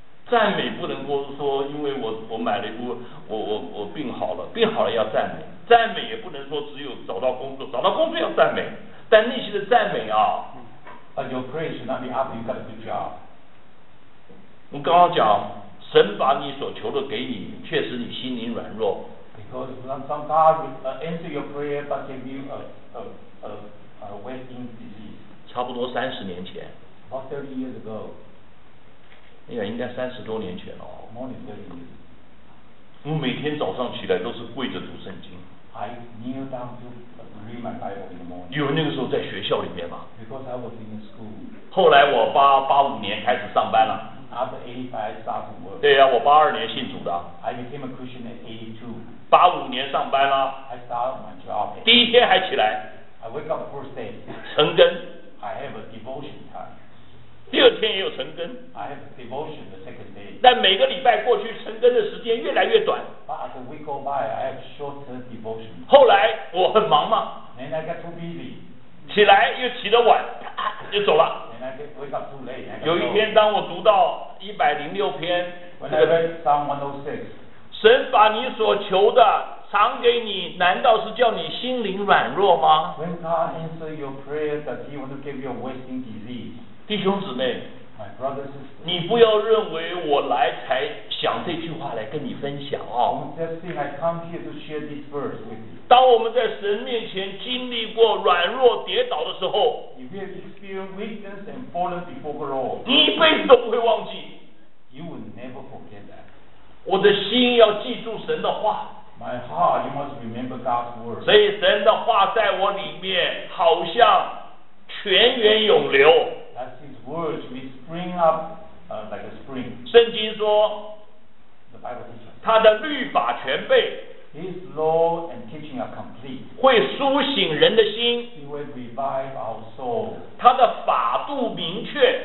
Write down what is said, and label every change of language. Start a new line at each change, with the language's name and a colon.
Chinese: 赞美不能够说，因为我买了一部，我病好了，病好了要赞美。赞美也不能说只有找到工作，找到工作要赞美。但那些的赞美啊，
English: But your praise should not be after you got a good job.
Chinese: 我刚刚讲，神把你所求的给你，确实你心灵软弱。
English: Because some God answer your prayer but give you a wasting disease.
Chinese: 差不多三十年前
English: About 30 years ago
Chinese: 哎呀应该三十多年前了
English: More than 30 years
Chinese: 我每天早上起来都是跪着读圣经
English: I kneel down to read my Bible in the morning
Chinese: 有那个时候在学校里面吗
English: Because I was in school
Chinese: 后来我85年开始上班了
English: After 85 I started work
Chinese: 对呀、啊、我82年信主的
English: I became a Christian at 82
Chinese: 85年上班了
English: I started my job
Chinese: 第一天还起来
English: I wake up the first day
Chinese: 成根
English: I have a devotion time.
Chinese: 第二天也有晨更。
English: I have a devotion the second day.
Chinese: 但每个礼拜过去，晨更的时间越来越短。
English: But as the week go by, I have shorter devotion.
Chinese: 后来我很忙嘛。
English: Then I get too busy.
Chinese: 起来又起得晚，啪就走了。
English: Then I get wake up too late.
Chinese: 有一天，当我读到106篇
English: ，When I read Psalm 106,
Chinese: 神把你所求的。赏给你，难道是叫你心灵软弱吗
English: ？When God answers your prayer, that He will give you a wasting disease.
Chinese: 弟兄姊妹
English: ，My brothers,
Chinese: 你不要认为我来才想这句话来跟你分享啊。
English: Just think I come here to share this verse with you.
Chinese: 当我们在神面前经历过软弱跌倒的时候
English: ，If you have experienced weakness and fallen before the Lord,
Chinese: 你一辈子都不会忘记。
English: You will never forget that.
Chinese: 我的心要记住神的话。
English: My heart, you must remember God's word.
Chinese: 所以神的话在我里面好像泉源涌流。
English: That's His word. We spring up, like a spring.
Chinese: 圣经说
English: ，The Bible teaches.
Chinese: 他的律法全备。
English: His law and teaching are complete.
Chinese: 会苏醒人的心。
English: He will revive our soul.
Chinese: 他的法度明确。